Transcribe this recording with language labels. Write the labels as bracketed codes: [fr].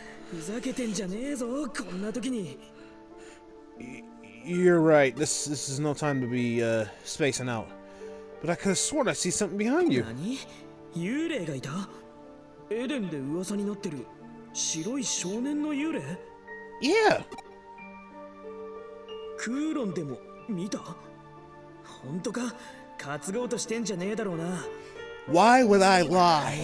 [ja] ふざけてんじゃねえぞ、こんな時に。 [en] You're right. This is no time to be spacing out. But I could have sworn I see something behind you. [ja] 何?幽霊がいた? エデンで噂になってる白い少年の幽霊? [en] Yeah! [ja] クーロンでも見た?本当か? 担ごうとしてんじゃねえだろうな。 [en] Why would I lie?